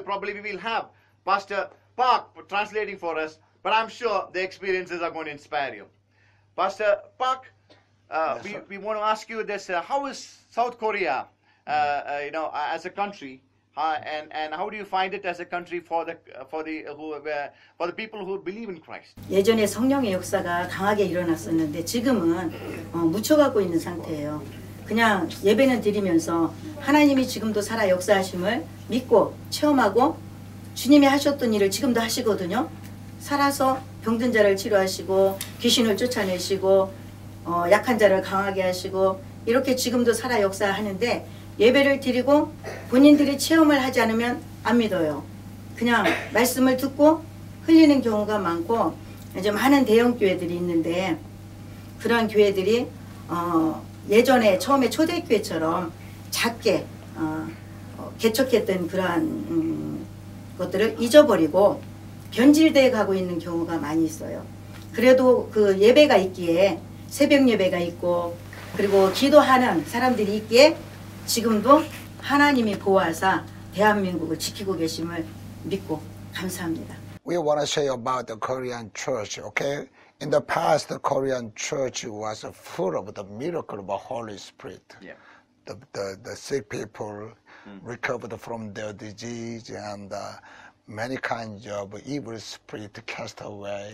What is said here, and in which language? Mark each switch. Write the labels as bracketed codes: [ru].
[en] Probably we will have Pastor Park translating for us, but I'm sure the experiences are going to inspire you. Pastor Park, we want to ask you this. How is South Korea, as a country, and how do you find it as a country for the people who believe in Christ? [ko] 예전에 성령의 역사가 강하게 일어났었는데 지금은 묻혀가고 있는 상태예요. 그냥 예배는 드리면서 하나님이 지금도 살아 역사하심을 믿고 체험하고 주님이 하셨던 일을 지금도 하시거든요. 살아서 병든 자를 치료하시고 귀신을 쫓아내시고 약한 자를 강하게 하시고 이렇게 지금도 살아 역사하는데 예배를 드리고 본인들이 체험을 하지 않으면 안 믿어요. 그냥 말씀을 듣고 흘리는 경우가 많고 요즘 많은 대형 교회들이 있는데 그런 교회들이 예전에 처음에 초대교회처럼 작게 개척했던 그러한 것들을 잊어버리고 변질되어 가고 있는 경우가 많이 있어요. 그래도 그 예배가 있기에 새벽 예배가 있고 그리고 기도하는 사람들이 있기에 지금도 하나님이 보호하사 대한민국을 지키고 계심을 믿고 감사합니다. [en] We want to say about the Korean church, okay? In the past, the Korean church was full of the miracle of the Holy Spirit. Yeah. The sick people recovered from their disease and many kinds of evil spirit cast away.